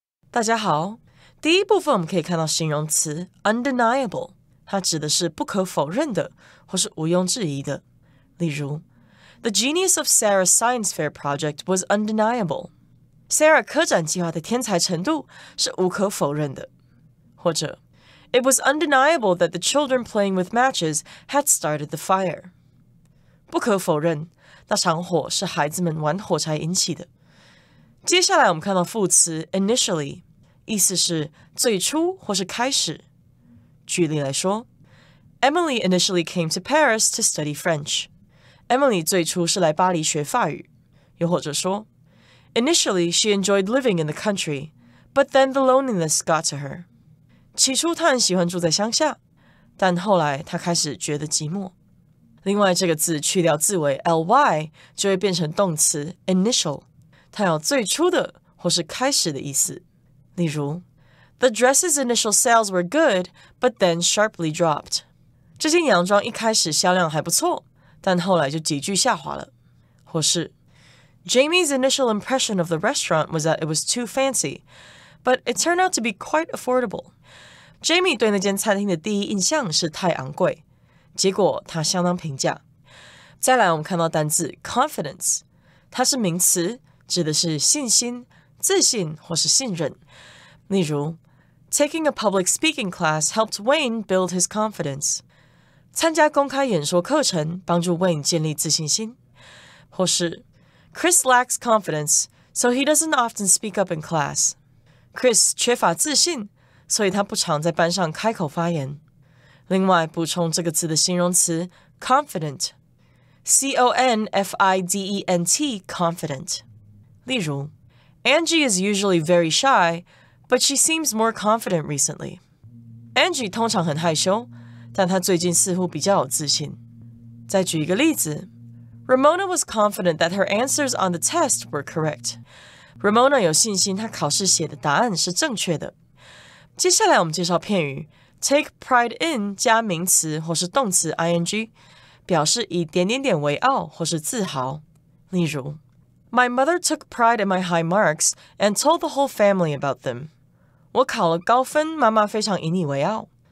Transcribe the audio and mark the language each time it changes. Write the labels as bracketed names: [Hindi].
[Chinese] 大家好，第一部分我们可以看到形容词 undeniable， 它指的是不可否认的或是毋庸置疑的。 [English] 例如The genius of Sarah's science fair project was undeniable. [Chinese] Sarah 科展计划的天才程度是无可否认的。 [English] 或者 It was undeniable that the children playing with matches had started the fire. [Chinese] 不可否认，那场火是孩子们玩火柴引起的。接下来我们看到副词 initially， 意思是最初或是开始。 [English] 举例来说 ，Emily initially came to Paris to study French. Emily [Chinese] 最初是来巴黎学法语，又或者说 [English] ，Initially she enjoyed living in the country, but then the loneliness got to her. [Chinese] 起初她很喜欢住在乡下，但后来她开始觉得寂寞。另外，这个字去掉字尾 ly 就会变成动词 initial， 它有最初的或是开始的意思。 [English] 例如 ，The dress's initial sales were good, but then sharply dropped. [Chinese] 这件洋装一开始销量还不错。但后来就急剧下滑了。 [English] 或是 Jamie's initial impression of the restaurant was that it was too fancy, but it turned out to be quite affordable. [Chinese] Jamie 对那间餐厅的第一印象是太昂贵，结果他相当平价。再来，我们看到单字 confidence， 它是名词，指的是信心、自信或是信任。 [English] 例如 ，Taking a public speaking class helped Wayne build his confidence. [Chinese] 参加公开演说课程帮助 Wayne 建立自信心，或是 [English] Chris lacks confidence, so he doesn't often speak up in class. [Chinese] Chris 缺乏自信，所以他不常在班上开口发言。另外，补充这个词的形容词 confident, C-O-N-F-I-D-E-N-T, confident. [English] 例如 Angie is usually very shy, but she seems more confident recently. [Chinese] Angie 通常很害羞。但她最近似乎比较有自信。 [English] 再举一个例子 ，Ramona was confident that her answers on the test were correct. [Chinese] Ramona 有信心她考试写的答案是正确的。接下来我们介绍片语 ，take pride in 加名词或是动词 ing， 表示以点点点为傲或是自豪。 [English] 例如 ，My mother took pride in my high marks and told the whole family about them. [Chinese] 我考了高分，妈妈非常引以为傲。